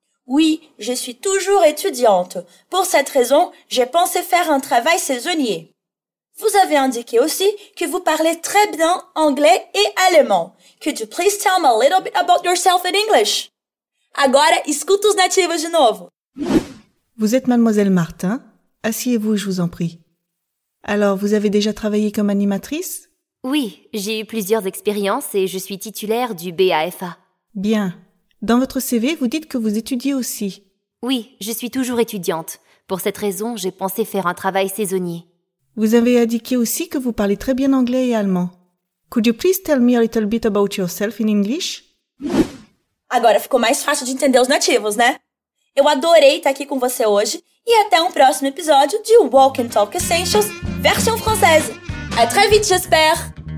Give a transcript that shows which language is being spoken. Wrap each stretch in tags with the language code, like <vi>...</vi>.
<fr>Oui, je suis toujours étudiante. Pour cette raison, j'ai pensé faire un travail saisonnier. Vous avez indiqué aussi que vous parlez très bien anglais et allemand.</fr> <en>Could you please tell me a little bit about yourself in English?</en> <pt>Agora, escuta os nativos de novo.</pt> <fr>Vous êtes mademoiselle Martin? Asseyez-vous, je vous en prie. Alors, vous avez déjà travaillé comme animatrice? Oui, j'ai eu plusieurs expériences et je suis titulaire du BAFA. Bien. Dans votre CV, vous dites que vous étudiez aussi. Oui, je suis toujours étudiante. Pour cette raison, j'ai pensé faire un travail saisonnier. Vous avez indiqué aussi que vous parlez très bien anglais et allemand.</fr> <en>Could you please tell me a little bit about yourself in English?</en> <pt>Agora ficou mais fácil de entender os nativos, né? Eu adorei estar aqui com você hoje e até um próximo episódio de Walk and Talk Essentials, versão francesa.</pt> <fr>À très vite, j'espère!</fr>